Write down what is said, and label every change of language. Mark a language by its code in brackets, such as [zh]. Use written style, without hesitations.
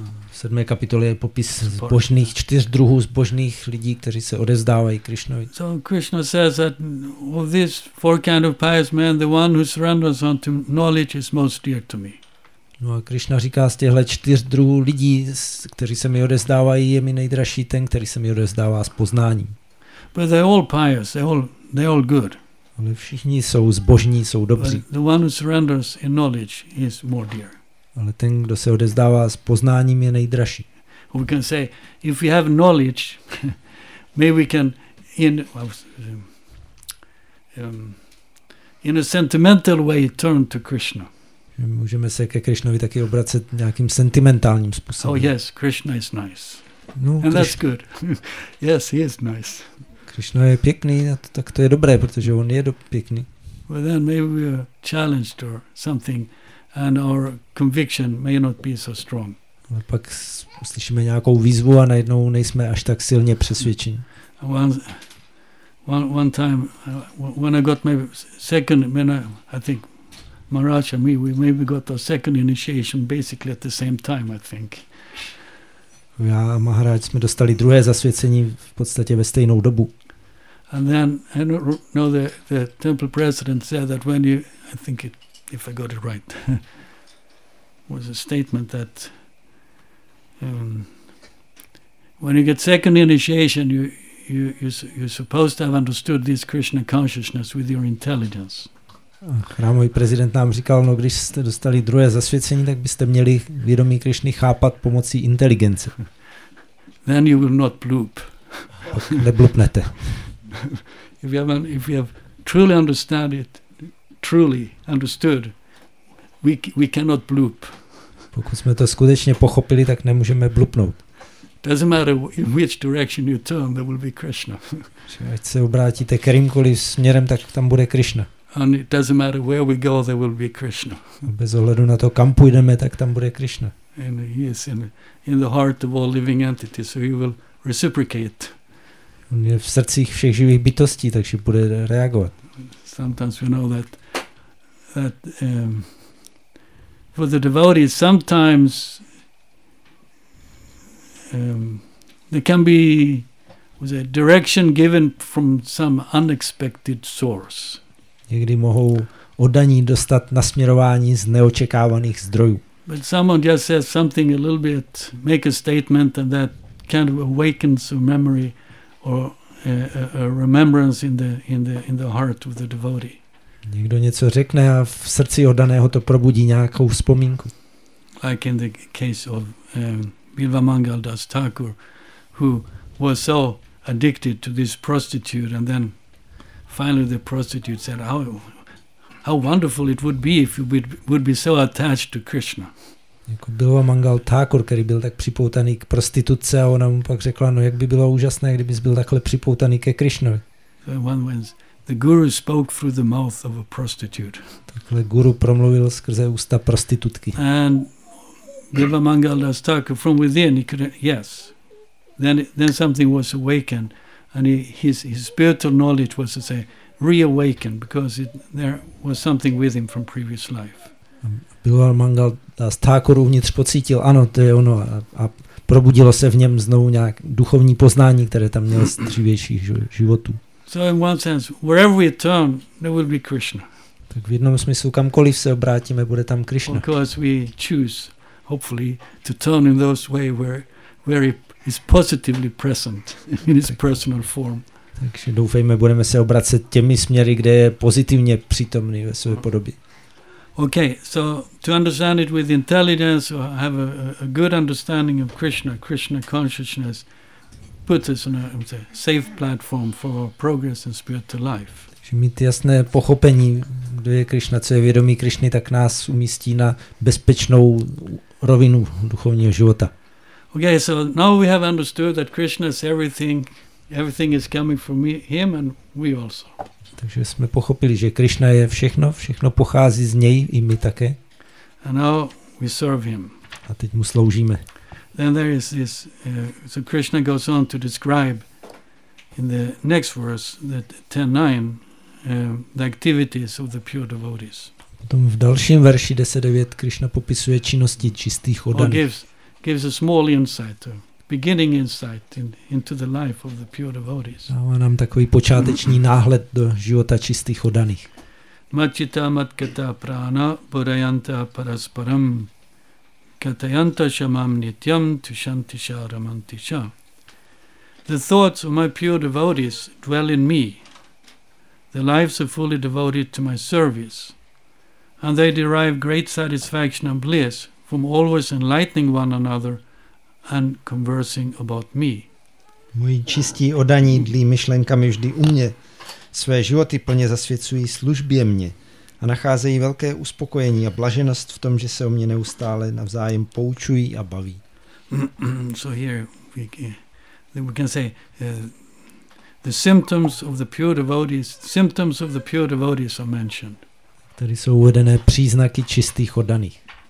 [cs] V sedmé kapitole je popis zbožných čtyř druhů zbožných lidí, kteří se odevzdávají Krishnovi. [en] So Krishna says that of these four kind of pious men, the one who surrenders unto knowledge is most dear to me. [cs] No a Krishna říká, z těchto čtyř druhů lidí, kteří se mi odevzdávají, je mi nejdražší ten, který se mi odevzdává s poznáním. [en] But they're all pious, they're all good. [cs] Ale všichni jsou zbožní, jsou dobří. [en] But the one who surrenders in knowledge is more dear. [cs] Ale ten, kdo se odevzdává s poznáním, je nejdražší. [en] we can say, if we have knowledge, maybe we can, in a sentimental way, turn to Krishna. [cs] Můžeme se ke Krishnovi taky obracet nějakým sentimentálním způsobem. [en] Oh yes, Krishna is nice. No, and that's good. Yes, he is nice. [cs] Krishna je pěkný, tak to je dobré, protože on je pěkný. [en] Well then maybe we are challenged or something and our conviction may not be so strong. [cs] A pak slyšíme nějakou výzvu a najednou nejsme až tak silně přesvědčeni. [en] One time when I got my second, I think Maharaj and we maybe got our second initiation basically at the same time, I think. [cs] Já a Maharaj jsme dostali druhé zasvěcení v podstatě ve stejnou dobu. [en] And then I know the temple president said that when you, I think it, if I got it right, was a statement that when you get second initiation, you're supposed to have understood this Krishna consciousness with your intelligence. [cs] A chrámový prezident nám říkal, no když jste dostali druhé zasvěcení, tak byste měli vědomí Krišny chápat pomocí inteligence. [en] Then you will not bloop. [cs] Nebloupnete. [en] If you have truly understood it, truly understood, we cannot bloop. [cs] Pokud jsme to skutečně pochopili, tak nemůžeme bloupnout. [en] Doesn't matter in which direction you turn, there will be Krishna. [cs] Ať se obrátíte kterýmkoliv směrem, tak tam bude Krishna. [en] And it doesn't matter where we go, there will be Krishna. [cs] Bez ohledu na to, kam půjdeme, tak tam bude Krishna. [en] And he is in the heart of all living entities, so he will reciprocate. [cs] On je v srdcích všech živých bytostí, takže bude reagovat. [en] Sometimes we know that for the devotees, sometimes there can be a direction given from some unexpected source. [cs] Někdy mohou oddaní dostat nasměrování z neočekávaných zdrojů. [en] But someone just says something a little bit, make a statement, and that kind of awakens a memory or a remembrance in the heart of the devotee. [cs] Někdo něco řekne a v srdci oddaného to probudí nějakou vzpomínku. [en] Like in the case of Bilva Mangal Das Thakur, who was so addicted to this prostitute, and then finally the prostitute said, how wonderful it would be if you would be so attached to Krishna. [cs] Jako Bilva Mangal Thakur, který byl tak připoutaný k prostituce, a ona mu pak řekla, no jak by bylo úžasné, kdybys byl takhle připoutaný ke Krishnovi. [en] The guru spoke through the mouth of a prostitute. [cs] Takhle guru promluvil skrze ústa prostitutky. [en] And Bilva Mangal Das Thakur from within, he could, yes. Then something was awakened. And his spiritual knowledge was to say reawakened because there was something with him from previous life. [cs] Bilva Mangal Das Thakur uvnitř pocítil, ano, to je ono, a probudilo se v něm znovu nějak duchovní poznání, které tam měl z dřívějších životů. [en] So in one sense, wherever we turn, there will be Krishna. [cs] Tak v jednom smyslu, kamkoliv se obrátíme, bude tam Krishna. [en] Because we choose, hopefully, to turn in those way where is positively present in his personal form. [cs] Takže doufejme, budeme se obracet těmi směry, kde je pozitivně přítomný ve své podobě. [en] Okay, so to understand it with intelligence or have a good understanding of Krishna consciousness puts us on a safe platform for our progress in spiritual life. [cs] Takže mít jasné pochopení, kdo je Krishna, co je vědomí Krishny, tak nás umístí na bezpečnou rovinu duchovního života. [en] Okay, so now we have understood that Krishna is everything. Everything is coming from him and we also. [cs] Takže jsme pochopili, že Krishna je všechno, všechno pochází z něj i my také. [en] And now we serve him. [cs] A teď mu sloužíme. [en] Then there is this, so Krishna goes on to describe in the next verse, the 10.9, the activities of the pure devotees. [cs] Potom v dalším verši 10.9 Krishna popisuje činnosti čistých oddaných. [en] Gives a small insight, a beginning insight into the life of the pure devotees. [cs] Dává nám takový počáteční náhled do života čistých oddaných. [sa] Machita matkata prana bodayanta parasparam katayanta shamam nityam tushanti sharamanti sha. [en] The thoughts of my pure devotees dwell in me. Their lives are fully devoted to my service. And they derive great satisfaction and bliss from always enlightening one another and conversing about me. [cs] Moji čistí oddaní dlí myšlenkami vždy u mě. Své životy plně zasvěcují službě mě a nacházejí velké uspokojení a blaženost v tom, že se o mě neustále navzájem poučují a baví. [en] So here we can say the symptoms of the pure devotees, symptoms of the pure devotees are mentioned. [cs] Tady jsou uvedené příznaky čistých oddaných.